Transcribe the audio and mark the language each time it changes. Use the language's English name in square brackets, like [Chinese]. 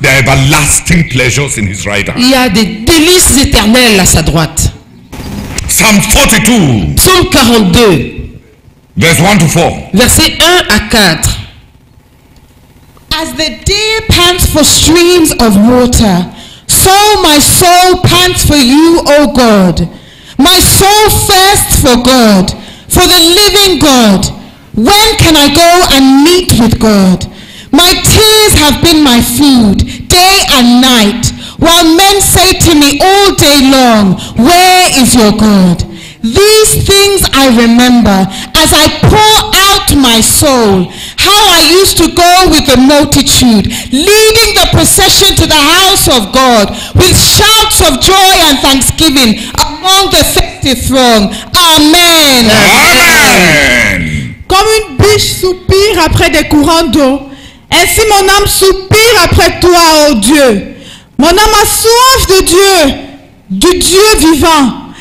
[English] There are everlasting pleasures in his right hand. [French] Il y a des délices éternels à sa droite. [English] Psalm 42. Psalm 42. Verse 1 to 4. [French] Verset 1 à 4. [English] As the deer pants for streams of water, so my soul pants for you, O God. My soul thirsts for God, for the living God. When can I go and meet with God? My tears have been my food, day and night, while men say to me all day long, where is your God? These things I remember as I pour out my soul, how I used to go with the multitude, leading the procession to the house of God, with shouts of joy and thanksgiving among the festive throng. Amen. Amen. [French] Comme une biche soupire après des courants d'eau, ainsi mon âme soupire après toi, ô Dieu. Mon âme a soif de Dieu, du Dieu vivant.